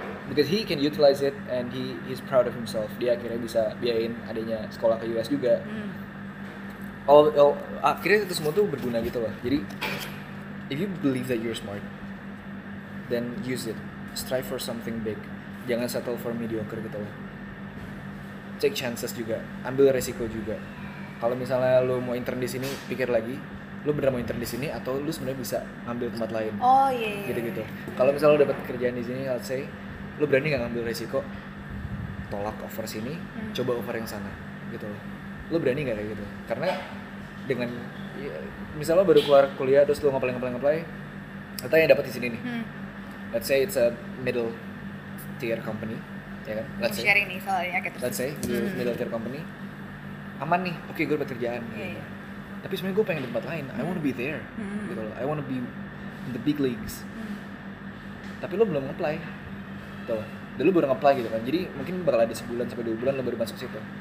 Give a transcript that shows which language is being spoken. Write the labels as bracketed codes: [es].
[en] Because he can utilize it and he's proud of himself. [id] Dia akhirnya bisa biayain adiknya sekolah ke US juga. Mm. All akhirnya itu semua tuh berguna gitu loh. [en] Jadi if you believe that you're smart, then use it. Strive for something big. Jangan settle for mediocre gitu loh. Take chances juga. [id] Ambil resiko juga. Kalau misalnya lo mau intern di sini, pikir lagi. Lo beneran mau intern di sini atau lo sebenarnya bisa ngambil tempat lain? Oh iya. Yeah. Gitu-gitu. Kalau misalnya lo dapat kerjaan di sini, [en] I'll say, [id] lo berani gak ngambil resiko? Tolak offer sini, coba offer yang sana. Gitu loh. Lo berani gak kayak gitu? Karena dengan misalnya lo baru keluar kuliah terus lo ngapain. Atau yang dapat di sini nih. [en] Let's say it's a middle tier company, ya kan? Let's say. [id] Sharing nih soalnya kita. [en] Let's say middle tier company. [id] Aman nih. Oke, gue dapat kerjaan. Iya. Tapi sebenarnya gue pengen tempat lain. [en] I want to be there. Gitu loh. I want to be in the big leagues. [id] Tapi lo belum apply. Tuh. Dan lo baru apply gitu kan. Jadi mungkin bakal ada sebulan sampai dua bulan lo baru masuk situ.